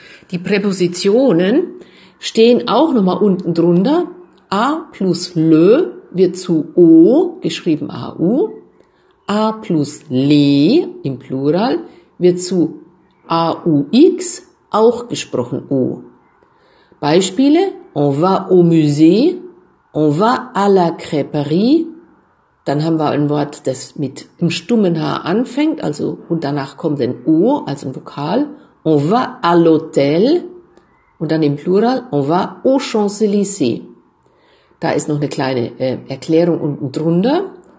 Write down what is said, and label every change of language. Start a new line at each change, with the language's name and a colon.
German: Die Präpositionen stehen auch nochmal unten drunter. A plus le wird zu o, geschrieben au. A plus le im Plural wird zu aux, auch gesprochen o.
French: Beispiele: On va au musée, on va à la crêperie.
German: Dann haben wir ein Wort, das mit einem stummen H anfängt, also und danach kommt ein o, also ein Vokal.
French: On va à l'hôtel
German: und dann im Plural:
French: On va aux Champs-Élysées.
German: Da ist noch eine kleine Erklärung unten drunter.